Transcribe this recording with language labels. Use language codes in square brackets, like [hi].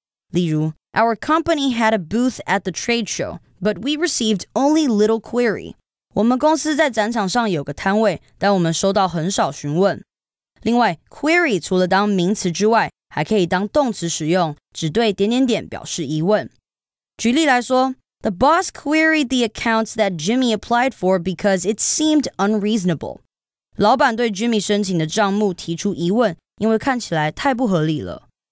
[zh] 例如 [en] Our company had a booth at the trade show, but we received only little query. [zh] 我们公司在展场上有个摊位，但我们收到很少询问。另外 query 除了当名词之外，还可以当动词使用，指对点点点表示疑问。举例来说 [en] ,the boss queried the accounts that Jimmy applied for because it seemed unreasonable. [zh] 老板对 Jimmy 申请的账目提出疑问，因为看起来太不合理了。